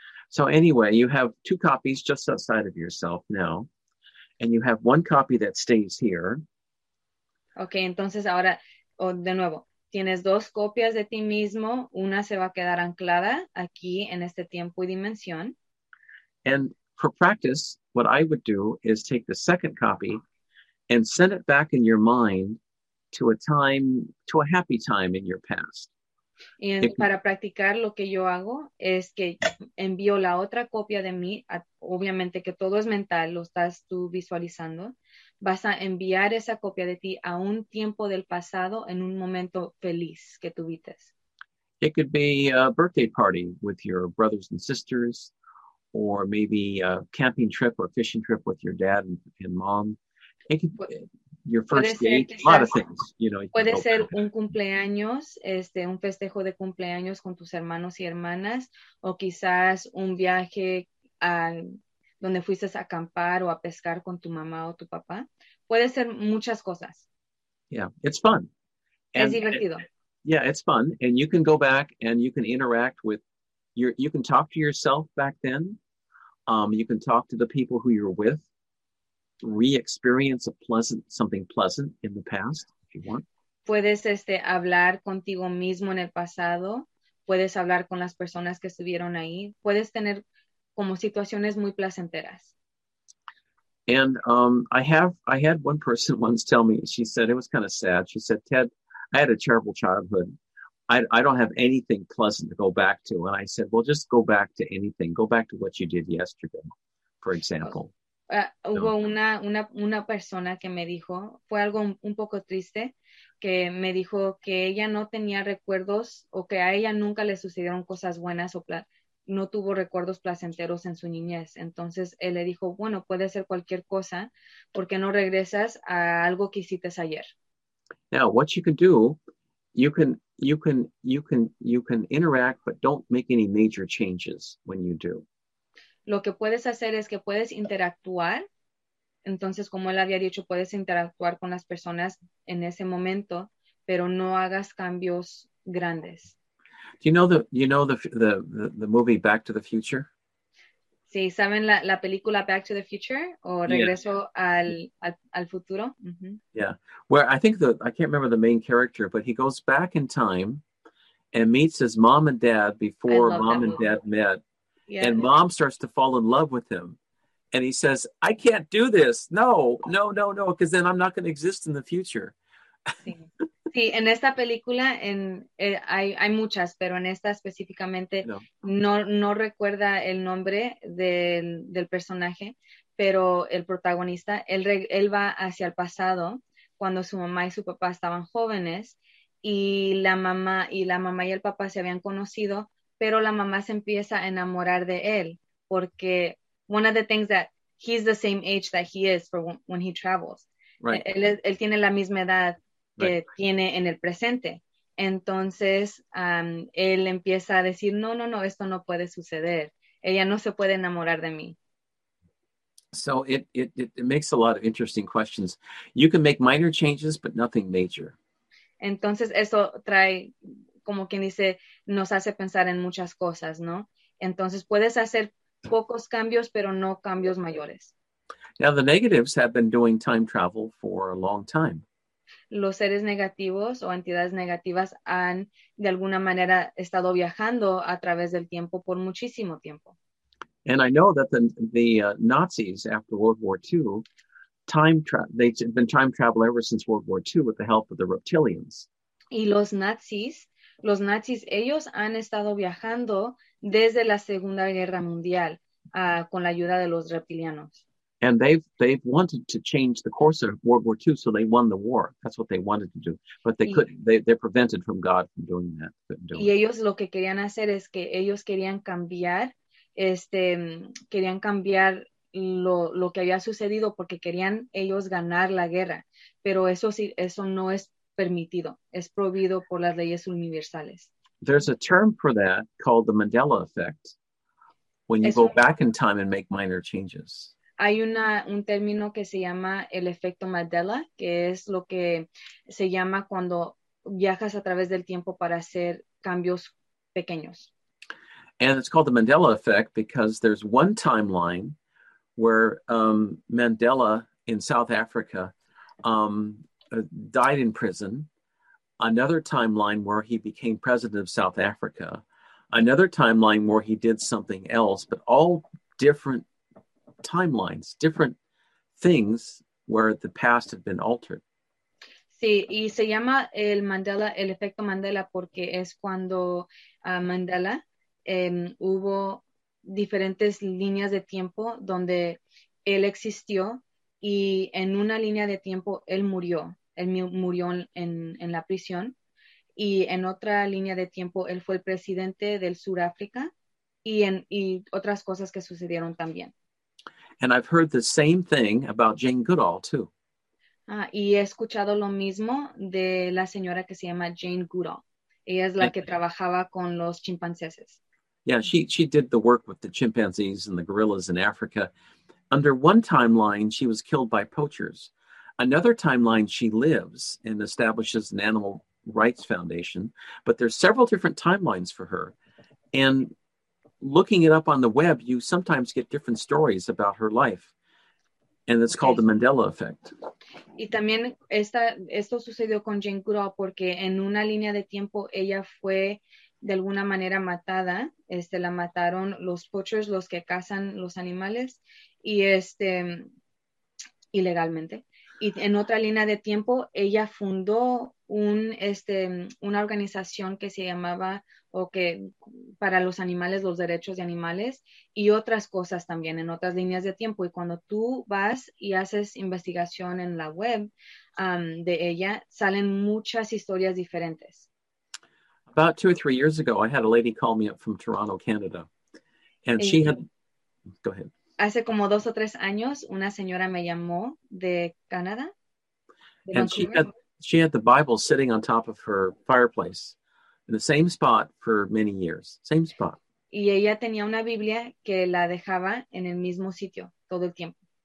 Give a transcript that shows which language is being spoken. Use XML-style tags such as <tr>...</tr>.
<en>So anyway, you have two copies just outside of yourself now, and you have one copy that stays here.</en> <es>Okay, entonces ahora, de nuevo, tienes dos copias de ti mismo. Una se va a quedar anclada aquí en este tiempo y dimensión.</es> <en>And for practice, what I would do is take the second copy and send it back in your mind to a happy time in your past.</en> <es>Y para practicar, lo que yo hago es que envío la otra copia de mí, obviamente que todo es mental, lo estás tú visualizando, vas a enviar esa copia de ti a un tiempo del pasado en un momento feliz que tuviste.</es> <en>It could be a birthday party with your brothers and sisters, or maybe a camping trip or a fishing trip with your dad and mom. Your first date, a lot of things, you know.</en> <es>Puede ser un cumpleaños, un festejo de cumpleaños con tus hermanos y hermanas, o quizás un viaje donde fuiste a acampar o a pescar con tu mamá o tu papá. Puede ser muchas cosas.</es> <en>Yeah, it's fun.</en> <es>Es divertido.</es> <en>Yeah, it's fun. And you can go back and you can interact with you can talk to yourself back then. You can talk to the people who you're with. Re-experience something pleasant in the past, if you want.</en> <es>Puedes hablar contigo mismo en el pasado. Puedes hablar con las personas que estuvieron ahí. Puedes tener como situaciones muy placenteras.</es> <en>And I had one person once tell me, she said, it was kind of sad. She said, Ted, I had a terrible childhood. I don't have anything pleasant to go back to. And I said, well, just go back to anything. Go back to what you did yesterday, for example.</en> <es>Hubo una persona que me dijo, fue algo un poco triste, que me dijo que ella no tenía recuerdos o que a ella nunca le sucedieron cosas buenas o no tuvo recuerdos placenteros en su niñez. Entonces él le dijo, bueno, puede ser cualquier cosa, ¿por qué no regresas a algo que hiciste ayer?</es> <en>Now, what you can do, you can interact, but don't make any major changes when you do.</en> <es>Lo que puedes hacer es que puedes interactuar. Entonces, como él había dicho, puedes interactuar con las personas en ese momento, pero no hagas cambios grandes.</es> <en>Do you know the movie Back to the Future?</en> <es>Sí, ¿saben la película Back to the Future o Regreso al Futuro?</es> <en>Mm-hmm. Yeah. Where I can't remember the main character, but he goes back in time and meets his mom and dad before mom and dad met. Yeah. And mom starts to fall in love with him. And he says, I can't do this. No, because then I'm not going to exist in the future.</en> <es>Sí, en esta película, hay muchas, pero en esta específicamente no recuerda el nombre del personaje, pero el protagonista, él va hacia el pasado cuando su mamá y su papá estaban jóvenes y la mamá y el papá se habían conocido. Pero la mamá se empieza a enamorar de él porque</es> <en>one of the things that he's the same age that he is for when he travels. Right.</en> <es>Él tiene la misma edad que tiene en el presente. Entonces, él empieza a decir, no, esto no puede suceder. Ella no se puede enamorar de mí.</es> <en>So it makes a lot of interesting questions. You can make minor changes, but nothing major.</en> <es>Entonces, eso trae... como quien dice, nos hace pensar en muchas cosas, ¿no? Entonces, puedes hacer pocos cambios, pero no cambios mayores.</es> <en>Now, the negatives have been doing time travel for a long time.</en> <es>Los seres negativos o entidades negativas han, de alguna manera, estado viajando a través del tiempo por muchísimo tiempo.</es> <en>And I know that the Nazis, after World War II, they've been time travel ever since World War II with the help of the reptilians.</en> <es>Y los nazis, ellos han estado viajando desde la Segunda Guerra Mundial con la ayuda de los reptilianos.</es> <en>And they've wanted to change the course of World War II, so they won the war. That's what they wanted to do. But they're prevented from God from doing that.</en> <es>Y ellos lo que querían hacer es que ellos querían cambiar, querían cambiar lo que había sucedido porque querían ellos ganar la guerra. Pero eso sí, eso no es permitido, es prohibido por las leyes universales.</es> <en>There's a term for that called the Mandela effect, when you go back in time and make minor changes.</en> <es>Hay un término que se llama el efecto Mandela, que es lo que se llama cuando viajas a través del tiempo para hacer cambios pequeños.</es> <en>And it's called the Mandela effect because there's one timeline where Mandela in South Africa died in prison, another timeline where he became president of South Africa, another timeline where he did something else, but all different timelines, different things where the past had been altered.</en> <es>Sí, y se llama el efecto Mandela porque es cuando Mandela hubo diferentes líneas de tiempo donde él existió y en una línea de tiempo él murió. Él murió en la prisión y en otra línea de tiempo él fue el presidente del Sudáfrica y otras cosas que sucedieron también.</es> <en>And I've heard the same thing about Jane Goodall too.</en> <es>Y he escuchado lo mismo de la señora que se llama Jane Goodall. Ella es la que trabajaba con los chimpancés.</es> <en>Yeah, she did the work with the chimpanzees and the gorillas in Africa. Under one timeline, she was killed by poachers. Another timeline, she lives and establishes an animal rights foundation, but there's several different timelines for her. And looking it up on the web, you sometimes get different stories about her life. And it's called the Mandela effect.</en> <es>Y también esto sucedió con Jane Goodall porque en una línea de tiempo ella fue de alguna manera matada. La mataron los poachers, los que cazan los animales, y ilegalmente. Y en otra línea de tiempo ella fundó una organización que se llamaba para los animales, los derechos de animales y otras cosas también en otras líneas de tiempo. Y cuando tú vas y haces investigación en la web de ella, salen muchas historias diferentes.</es> <en>About 2 or 3 years ago, I had a lady call me up from Toronto, Canada. And she had... Go ahead.</en> <es>Hace como 2 or 3 años, una señora me llamó de Canadá.</es> <en>And she had the Bible sitting on top of her fireplace. In the same spot for many years. Same spot.</en> <es>Y ella tenía una Biblia que la dejaba en el mismo sitio todo el tiempo.</es>